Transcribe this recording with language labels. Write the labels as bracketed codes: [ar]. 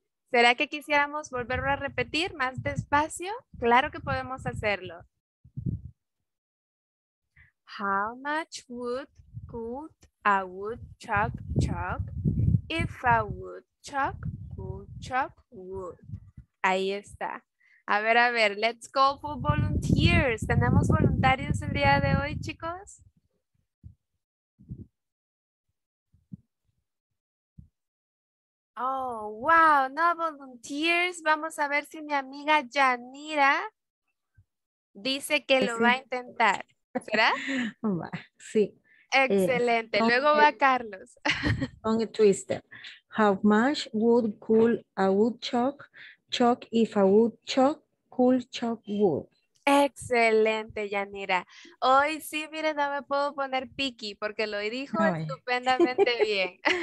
[es] ¿Será que quisiéramos volverlo a repetir más despacio? Claro que podemos hacerlo. [en] How much wood could a woodchuck chuck if a woodchuck could chuck wood? [es] Ahí está. A ver, [en] let's go for volunteers. [es] ¿Tenemos voluntarios el día de hoy, chicos? [en] Oh, wow, no volunteers. [es] Vamos a ver si mi amiga Yanira dice que lo va a intentar. ¿Será? Sí. Excelente. Luego va Carlos. [en] On a twister. How much wood could a woodchuck chuck if a woodchuck could chuck wood? [es] Excelente, Yanira. Hoy sí, miren, no me puedo poner picky porque lo dijo estupendamente bien.